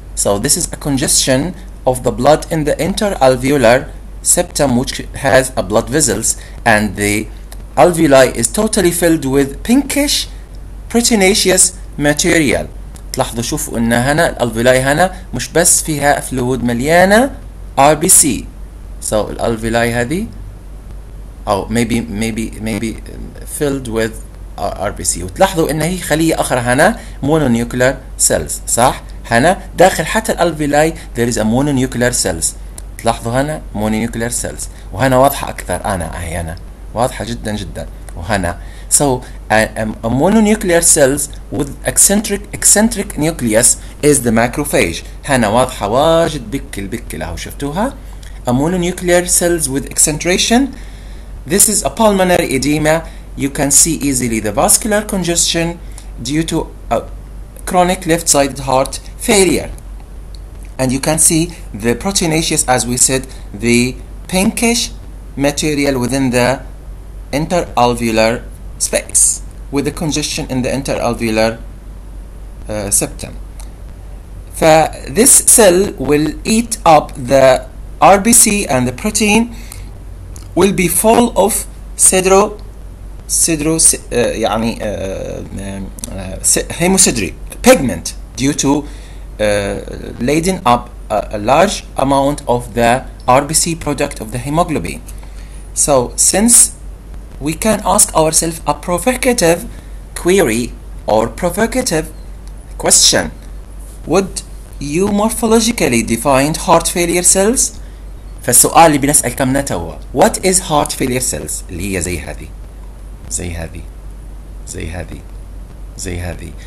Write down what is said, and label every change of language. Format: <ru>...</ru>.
<en>So this is a congestion of the blood in the interalveolar septum, which has a blood vessels, and the alveoli is totally filled with pinkish proteinaceous material.</en> <ar>تلاحظوا شوفوا ان هنا الالفيولاي هنا مش بس فيها فلويد مليانة RBC.</ar> <en>So</en> <ar>الالفيولاي هذه او</ar> <en>maybe filled with RBC.</en> <ar>وتلاحظوا ان هي خلية اخرى هنا mononuclear cells. صح؟ هنا داخل حتى الالفيولاي</ar> <en>there is a mononuclear cells.</en> <ar>تلاحظوا هنا mononuclear cells. وهنا واضحة اكثر انا اهي هنا. واضحة جدا جدا. وهنا</ar> <en>so a mononuclear cells with eccentric nucleus is the macrophage.</en> <ar>هنا واضحة واجد بكل بكل اهو شفتوها.</ar> <en>A mononuclear cells with excentration. This is a pulmonary edema. You can see easily the vascular congestion due to a chronic left-sided heart failure. And you can see the proteinaceous, as we said, the pinkish material within the interalveolar space with the congestion in the interalveolar septum. This cell will eat up the RBC and the protein will be full of hemosiderin pigment due to laden up a large amount of the RBC product of the hemoglobin. So since we can ask ourselves a provocative query or provocative question, would you morphologically define heart failure cells?</en> <ar>فالسؤال اللي بنسأل كم نتوى</ar> <en>what is heart failure cells</en> <ar>اللي هي زي هذه زي هذه زي هذه زي هذه.</ar>